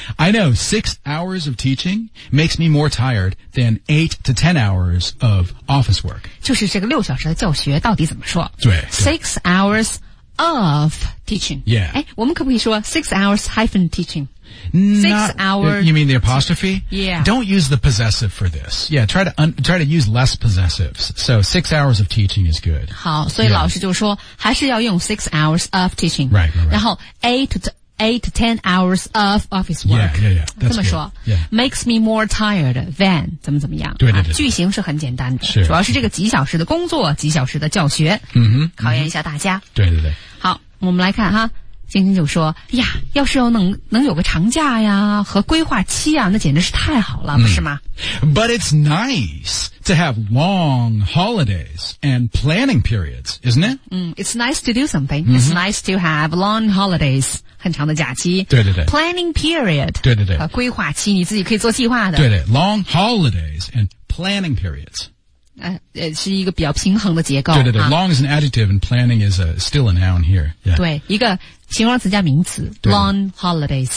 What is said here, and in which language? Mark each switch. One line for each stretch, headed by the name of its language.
English: I know 6 hours of teaching makes me more tired than 8 to 10 hours of office work.
Chinese: 就是这个六小时的教学到底怎么说？对
English: ，6 hours of teaching. Yeah.
Chinese: 哎，我们可不可以说
English: 6 hours - teaching? Six hours. You mean the apostrophe? Yeah. Don't use the possessive for this. Yeah. Try to use less possessives. So 6 hours of teaching is good.
Chinese: 好，所以老师就说还是要用
English: 6 hours of teaching. Right. Right.
Chinese: 然后
English: 8 to 10 hours of office work. Yeah, yeah, yeah. That's
Chinese: 这么说、
English: yeah. makes me more tired than
Chinese: 怎么怎么样。对对对、啊。句型是很简单的。是。主要是这个几小时的工作，几小时的教学。嗯哼。考验一下大家。嗯、对对对。好，我们来看哈，晶晶就说：“呀，要是能有个长假呀和规划期啊，那简直是太好了，不是吗、嗯、
English: ？”But it's nice to have long holidays and planning periods, isn't it? 嗯 ，It's nice to do something.、嗯、It's nice to have long holidays.
Chinese: 很长的假期，对对对
English: ，planning period，
Chinese: 对对对，规划期，你自己可以做计划的，
English: 对对 ，long holidays and planning periods，
Chinese: 是一个比较平衡的结构，对对对、啊、
English: ，long is an adjective and planning is still a noun here，、yeah.
Chinese: 对，一个形容词加名词
English: long holidays